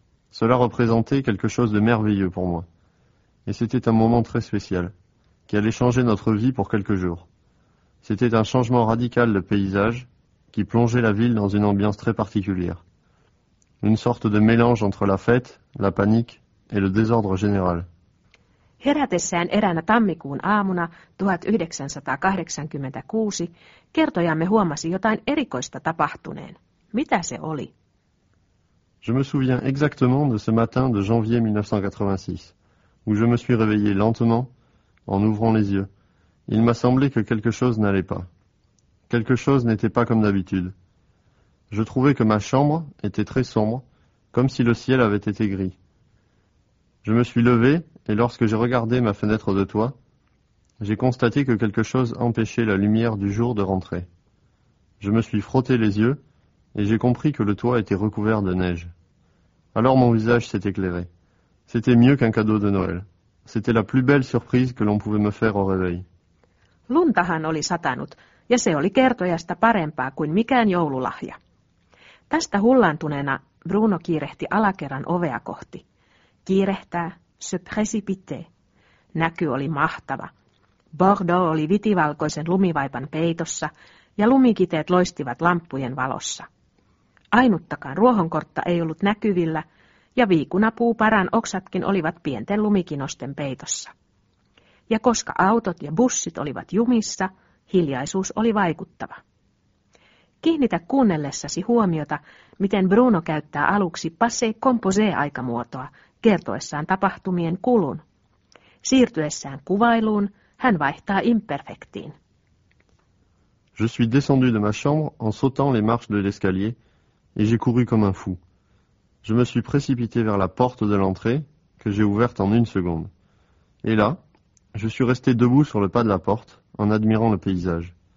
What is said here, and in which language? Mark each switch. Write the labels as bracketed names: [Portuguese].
[French] Cela représentait quelque chose de merveilleux pour moi. Et c'était un moment très spécial, qui allait changer notre vie pour quelques jours. C'était un changement radical de paysage, qui plongeait la ville dans une ambiance très particulière. Une sorte de mélange entre la fête, la panique et le désordre général. [Finnish] Herätessään eräänä tammikuun aamuna 1986, kertojamme huomasi jotain erikoista tapahtuneen. Mitä se oli? [French] Je me souviens exactement de ce matin de janvier 1986, où je me suis réveillé lentement, en ouvrant les yeux. Il m'a semblé que quelque chose n'allait pas. Quelque chose n'était pas comme d'habitude. Je trouvais que ma chambre était très sombre, comme si le ciel avait été gris. Je me suis levé et lorsque j'ai regardé ma fenêtre de toit, j'ai constaté que quelque chose empêchait la lumière du jour de rentrer. Je me suis frotté les yeux et j'ai compris que le toit était recouvert de neige. Alors mon visage s'est éclairé. C'était mieux qu'un cadeau de Noël. C'était la plus belle surprise que l'on pouvait me faire au réveil. [Finnish] Luntahan oli satanut, ja se oli kertojasta parempaa kuin mikään joululahja. Tästä hullantuneena Bruno kiirehti alakerran ovea kohti. Kiirehtää, [French] se précipité. [Finnish] Näky oli mahtava. Bordeaux oli vitivalkoisen lumivaipan peitossa, ja lumikiteet loistivat lamppujen valossa. Ainuttakaan ruohonkortta ei ollut näkyvillä, ja viikunapuuparan oksatkin olivat pienten lumikinosten peitossa. Ja koska autot ja bussit olivat jumissa, hiljaisuus oli vaikuttava. Kiinnitä kuunnellessasi huomiota, miten Bruno käyttää aluksi passé-composé-aikamuotoa, kertoessaan tapahtumien kulun. Siirtyessään kuvailuun, hän vaihtaa imperfektiin. [French] Je suis descendu de ma chambre en sautant les marches de l'escalier et j'ai couru comme un fou. Je me suis précipité vers la porte de l'entrée que j'ai ouverte en une seconde. Et là, je suis resté debout sur le pas de la porte en admirant le paysage.